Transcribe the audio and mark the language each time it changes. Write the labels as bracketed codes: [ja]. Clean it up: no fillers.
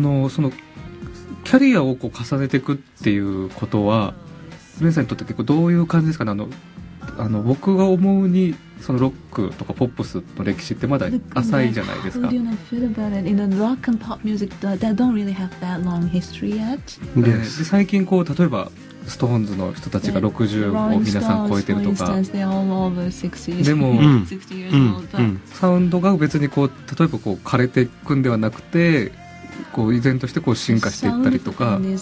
[ja] そのキャリアをこう重ねていくっていうことはグレンさんにとって結構どういう感じですかね。あの僕が思うにそのロックとかポップスの歴史ってまだ浅いじゃないですか。 [en] How do you feel about it? In the rock and pop music, they don't really have that long history yet. Yes. [ja] で最近こう例えばストーンズの人たちが60を皆さん超えてるとか、でも、サウンドが別にこう例えばこう枯れていくんではなくて、こう依然としてこう進化していったりとか。